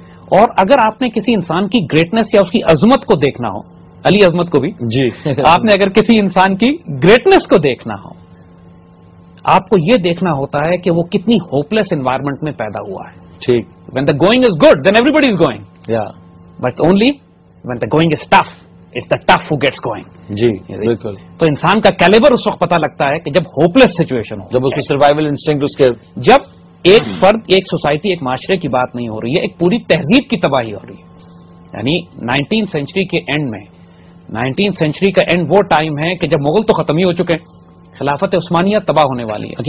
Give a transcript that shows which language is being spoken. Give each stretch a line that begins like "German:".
Urdu: اور اگر آپ نے کسی انسان کی گریٹنس یا اس کی عظمت کو دیکھنا ہو, علی عظمت کو بھی, جی آپ نے اگر کسی انسان کی گریٹنس کو دیکھنا ہو, آپ کو یہ دیکھنا ہوتا ہے کہ وہ کتنی ہوپلیس انوائرمنٹ میں پیدا ہوا ہے. ٹھیک,
English: When the going is good then everybody is going, یا but only when the going is tough is the tough who gets going.
Urdu: جی بالکل, تو انسان کا کیلیبر اس وقت پتا لگتا ہے کہ جب ہوپلیس سچویشن ہو, جب اس کی سروائیول انسٹنکٹ اس کے, جب ایک فرد, ایک سوسائٹی, ایک معاشرے کی بات نہیں ہو رہی ہے, ایک پوری تہذیب کی تباہی ہو رہی ہے. یعنی 19th سینچری کے اینڈ میں, 19th سینچری کا اینڈ وہ ٹائم ہے کہ جب مغل تو ختم ہی ہو چکے ہیں, خلافت عثمانیہ تباہ ہونے والی ہے.